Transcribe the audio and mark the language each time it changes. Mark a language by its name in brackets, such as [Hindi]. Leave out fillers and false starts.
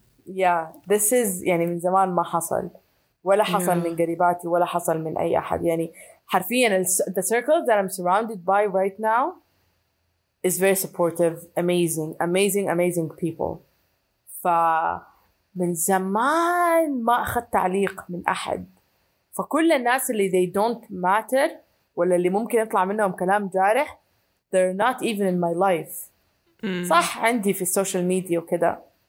[Arabic] Yeah, [English] this is [Arabic] يعني من زمان ما حصل ولا حصل من قريباتي ولا حصل من أي أحد. يعني حرفيا [English] the circle that I'm surrounded by right now is very supportive, amazing, amazing, amazing people. [Arabic] فمن زمان ما أخذ تعليق من أحد. فكل الناس اللي [English] they don't matter [Arabic] ولا اللي ممكن يطلع منهم كلام جارح, [English] they're not even in my life. [Arabic] صح عندي في السوشيال ميديا وكذا.